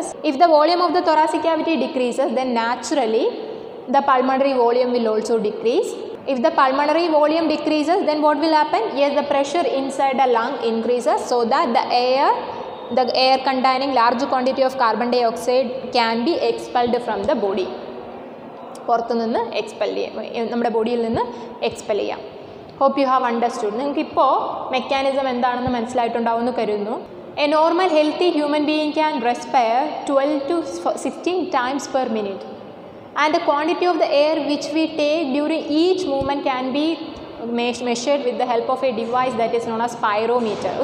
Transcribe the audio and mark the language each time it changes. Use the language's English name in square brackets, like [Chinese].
[English] If the volume of the thoracic cavity decreases, then naturally, the pulmonary volume will also decrease. If the pulmonary volume decreases, then what will happen? Yes, the pressure inside the lung increases so that the air containing large quantity of carbon dioxide can be expelled from the body. [Malayalam] പുറത്തു നിന്ന് expel ചെയ്യാം, നമ്മുടെ ബോഡിയിൽ നിന്ന് expel ചെയ്യാം. [English] Hope you have understood. [Malayalam] നിങ്ങൾക്കിപ്പോൾ mechanism എന്താണെന്ന് മനസ്സിലായിട്ടുണ്ടാവും എന്ന് കരുതുന്നു. [English] A normal healthy human being can respire 12 to 16 times per minute. And the quantity of the air which we take during each movement can be measured with the help of a device that is known as pyrometer.